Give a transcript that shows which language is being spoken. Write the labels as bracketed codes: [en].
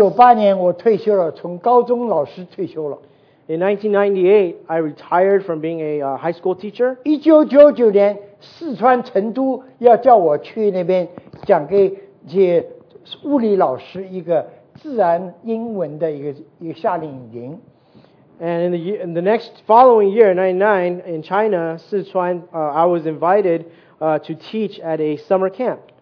[zh] 1998年我退休了，从高中老师退休了。 [en] In 1998, I retired from being a high school teacher. [zh] 1999年，四川成都要叫我去那边讲给。物理老师一个自然英文的一个夏令营。 [en] And in the next following year, 99, in China, Sichuan, I was invited to teach at a summer camp.